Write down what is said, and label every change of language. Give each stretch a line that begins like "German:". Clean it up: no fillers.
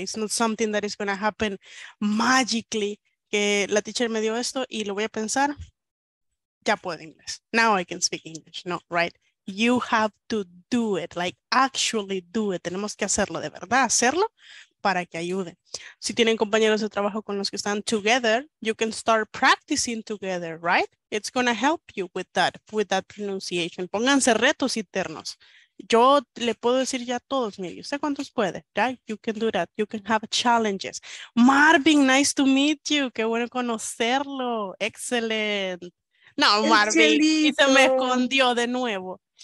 English: It's not something that is going to happen magically.
Spanish: Que la teacher me dio esto y lo voy a pensar. Ya puedo inglés.
English: Now I can speak English, no, right? You have to do it, like actually do it.
Spanish: Tenemos que hacerlo, de verdad, hacerlo para que ayude. Si tienen compañeros de trabajo con los que están together,
English: you can start practicing together, right? It's going to help you with that pronunciation.
Spanish: Pónganse retos internos. Yo le puedo decir ya a todos, mire, ¿usted cuántos puede?
English: Yeah, you can do that. You can have challenges. Marvin, nice to meet you.
Spanish: Qué bueno conocerlo. Excellent. No, Marvin, y se me escondió de nuevo.